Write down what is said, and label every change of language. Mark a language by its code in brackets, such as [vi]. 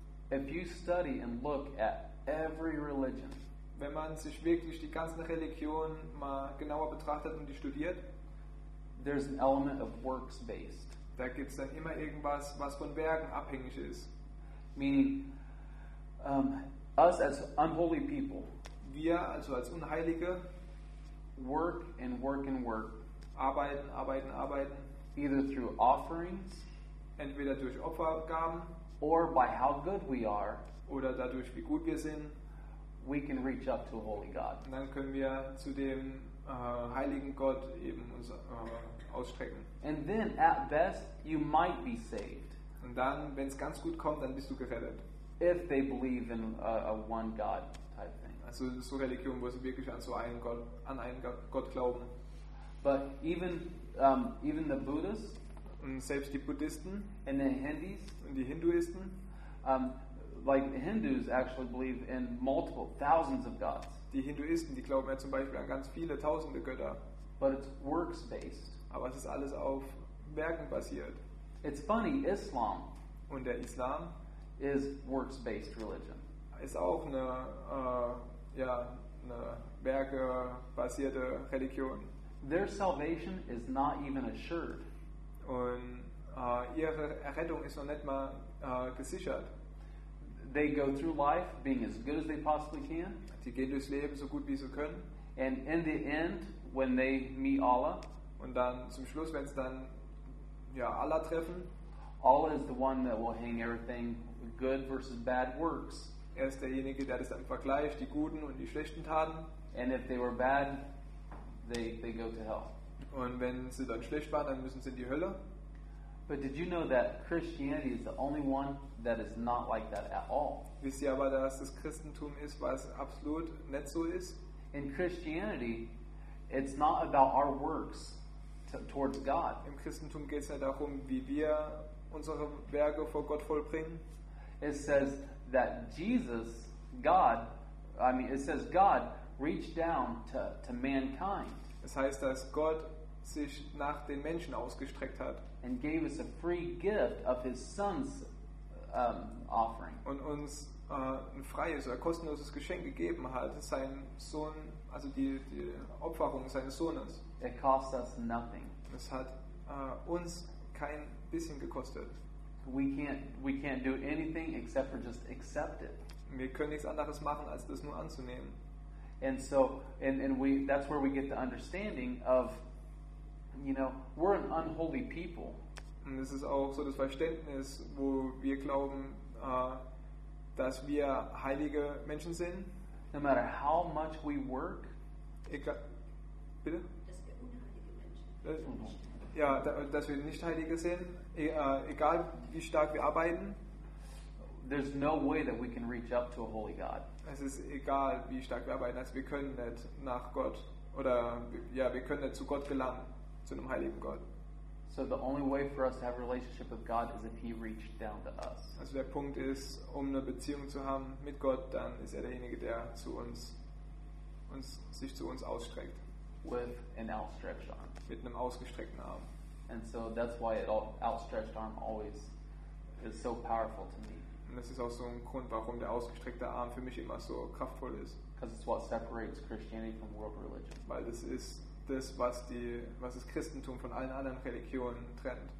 [en] If you study and look at every religion, [de] wenn man sich wirklich die ganzen Religionen mal genauer betrachtet und die studiert, [en] there's an element of works based. [de] Da gibt es dann immer irgendwas, was von Werken abhängig ist. [en] Meaning, us as unholy people, [de] wir also als Unheilige, [en] work and work and work, [de] arbeiten, arbeiten, arbeiten, [en] either through offerings, [de] entweder durch Opfergaben, [en] or by how good we are, [de] oder dadurch, wie gut wir sind, [en] we can reach up to a holy God. [de] Und dann können wir zu dem heiligen Gott eben uns ausstrecken. [en] And then, at best, you might be saved. [de] Und dann, wenn es ganz gut kommt, dann bist du gerettet. [en] If they believe in a one God type thing. [de] Also so Religion, wo sie wirklich an so einen Gott, an einen Gott glauben. [en] But even even the Buddhists. [de] Und selbst die Buddhisten. [en] And the Hindus. [de] Und die Hinduisten. [en] Like the Hindus actually believe in multiple thousands of gods. [de] Die Hinduisten, die glauben ja zum Beispiel an ganz viele tausende Götter. [en] But it's works based. [de] Aber es ist alles auf Werken basiert. [en] It's funny, Islam. [de] Und der Islam [en] is works based religion. [de] Ist auch eine Werke basierte Religion. [en] Their salvation is not even assured. [de] Und ihre Errettung ist noch nicht mal gesichert. [en] They go through life being as good as they possibly can. [de] Sie gehen durchs Leben so gut wie sie können. [en] And in the end, when they meet Allah, [de] und dann zum Schluss, wenn sie dann ja Allah treffen, [en] Allah is the one that will hang everything good versus bad works. [de] Er ist derjenige, der das dann vergleicht, die guten und die schlechten Taten. [en] And if they were bad, they go to hell. [de] Und wenn sie dann schlecht waren, dann müssen sie in die Hölle. [en] But did you know that Christianity is the only one that is not like that at all? [de] Wisst ihr aber, dass das Christentum ist, was absolut nicht so ist? [en] In Christianity, it's not about our works towards God. [de] Im Christentum geht es nicht darum, wie wir unsere Werke vor Gott vollbringen. [en] It says that Jesus, God, I mean, it says God reached down to mankind. [de] Es heißt, dass Gott sich nach den Menschen ausgestreckt hat. [en] And gave us a free gift of his son's offering. [de] Und uns ein freies oder kostenloses Geschenk gegeben hat, seinen Sohn, also die Opferung seines Sohnes. [en] It cost us nothing. [de] Es hat uns kein bisschen gekostet. [en] We can't do anything except for just accept it. [de] Wir können nichts anderes machen, als das nur anzunehmen. [en] And so, and we, that's where we get the understanding of, you know, we're an unholy people. [de] Und es ist auch so das Verständnis, wo wir glauben, dass wir heilige Menschen sind. [en] No matter how much we work. [de] Bitte? Dass wir unheilige Menschen sind. Ja, dass wir nicht heilige sind, egal wie stark wir arbeiten. [en] There's no way that we can reach up to a holy God. [de] Es ist egal, wie stark wir arbeiten, also wir können nicht nach Gott oder ja, wir können nicht zu Gott gelangen, zu einem heiligen Gott. [en] So the only way for us to have a relationship with God is if he reached down to us. [de] Also der Punkt ist, um eine Beziehung zu haben mit Gott, dann ist er derjenige, der zu uns sich zu uns ausstreckt. [en] With an outstretched arm. [de] Mit einem ausgestreckten Arm. [en] And so that's why an outstretched arm always is so powerful to me. [de] Und das ist auch so ein Grund, warum der ausgestreckte Arm für mich immer so kraftvoll ist. [en] Because it's what separates Christianity from world religion. [de] Weil das ist das, was das Christentum von allen anderen Religionen trennt.